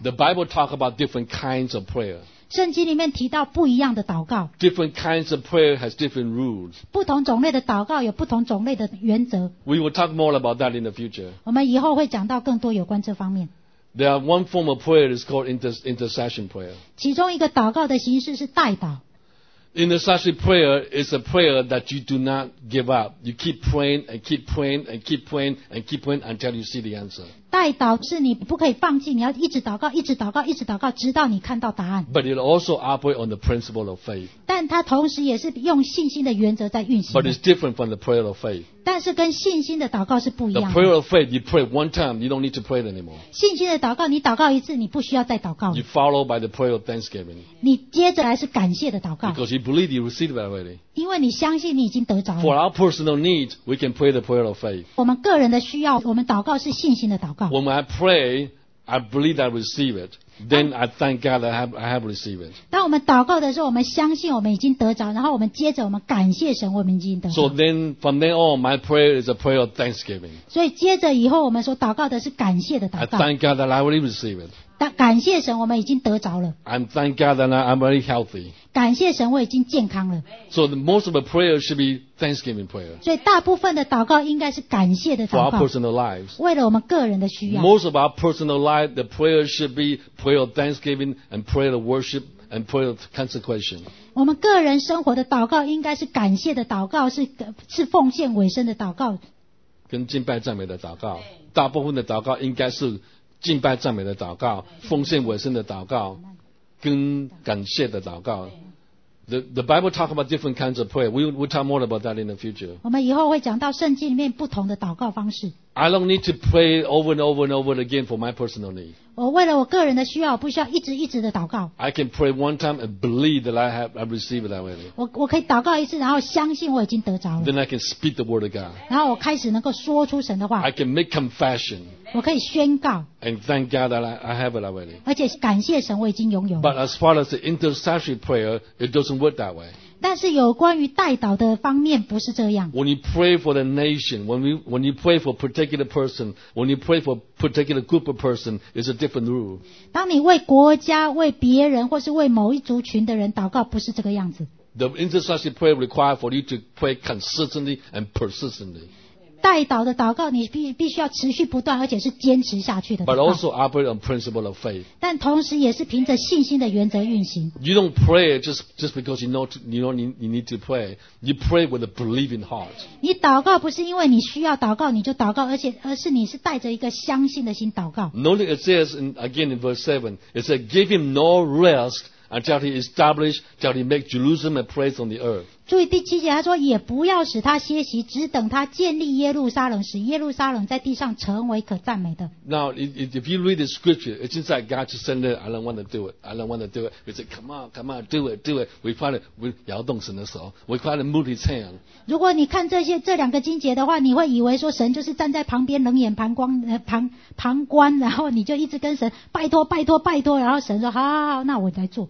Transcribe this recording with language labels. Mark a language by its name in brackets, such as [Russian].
[English] The Bible talks about different kinds of prayer. [Chinese] 圣经里面提到不一样的祷告。 [English] Different kinds of prayer has different rules. [Chinese] 不同种类的祷告有不同种类的原则。 [English] We will talk more about that in the future. [Chinese] 我们以后会讲到更多有关这方面。 [English] There are one form of prayer that is called intercession prayer. [Chinese] 其中一个祷告的形式是代祷。 [English] Intercession prayer is a prayer that you do not give up. You keep praying and keep praying and keep praying and keep praying until you see the answer. [Chinese] 代祷是你不可以放弃，你要一直祷告，一直祷告，一直祷告，直到你看到答案。 [English] But it also operates on the principle of faith. [Chinese] 但它同时也是用信心的原则在运行。 [English] But it's different from the prayer of faith. [Chinese] 但是跟信心的祷告是不一样的。 [English] The prayer of faith, you pray one time, you don't need to pray anymore. [Chinese] 信心的祷告，你祷告一次，你不需要再祷告。 [English] You follow by the prayer of thanksgiving. [Chinese] 你接着来是感谢的祷告。 [English] Because you believe you received it already. [Chinese] 因为你相信你已经得着了。 [English] For our personal needs, we can pray the prayer of faith. [Chinese] 我们个人的需要，我们祷告是信心的祷告。 [English] When I pray, I believe I receive it. Then I thank God that I have received it. [Chinese] 当我们祷告的时候，我们相信我们已经得着，然后我们接着我们感谢神，我们已经得着。 [English] So then, from then on, my prayer is a prayer of thanksgiving. [Chinese] 所以接着以后，我们所祷告的是感谢的祷告。 [English] I thank God that I already received it. [Chinese] 感谢神，我们已经得着了。 [English] I'm thank God that I'm very healthy. [Chinese] 感谢神，我已经健康了。 [English] So most of the prayer should be thanksgiving prayer. [Chinese] 所以大部分的祷告应该是感谢的祷告。 [English] For our personal lives. [Chinese] 为了我们个人的需要。 [English] Most of our personal life, the prayer should be prayer of thanksgiving and prayer of worship and prayer of consecration. [Chinese] 我们个人生活的祷告应该是感谢的祷告，是奉献委身的祷告。跟敬拜赞美的祷告，大部分的祷告应该是。敬拜赞美的祷告，奉献委身的祷告，跟感谢的祷告。 [English] The Bible talks about different kinds of prayer. We'll talk more about that in the future. [Chinese] 我们以后会讲到圣经里面不同的祷告方式。 [English] I don't need to pray over and over and over again for my personal need. [Chinese] 我为了我个人的需要，我不需要一直一直的祷告。 [English] I can pray one time and believe that I received that already. [Chinese] 我可以祷告一次，然后相信我已经得着了。 [English] Then I can speak the word of God. [Chinese] 然后我开始能够说出神的话。 [English] I can make confession. [Chinese] 我可以宣告 [English] and thank God that I have it already. [Chinese] 而且感谢神我已经拥有了。 [English] But as far as the intercessory prayer, it doesn't work that way. [Chinese] 但是有关于代祷的方面不是这样。 [English] When you pray for the nation, when you pray for a particular person, when you pray for a particular group of person, it's a different rule. [Chinese] 当你为国家、为别人或是为某一族群的人祷告，不是这个样子。 [English] The intercessory prayer requires for you to pray consistently and persistently. [Chinese] 代祷的祷告你必须要持续不断而且是坚持下去的祷告 [English] But also operate on principle of faith. [Chinese] 但同时也是凭着信心的原则运行 [English] You don't pray just because you need to pray. You pray with a believing heart. [Chinese] 你祷告不是因为你需要祷告你就祷告而是你是带着一个相信的心祷告 [English] Notice it says again in verse 7 It says give him no rest until he establish until he make Jerusalem a place on the earth. [Chinese] 注意第七节他说也不要使他歇息只等他建立耶路撒冷使耶路撒冷在地上成为可赞美的 [English] Now if you read the scripture it seems like God just said I don't want to do it I don't want to do it He said come on do it We find it [Chinese] 摇动神的手 [English] We find it move his hand [Chinese] 如果你看这两个经节的话你会以为说神就是站在旁边冷眼旁观然后你就一直跟神拜托然后神说好那我来做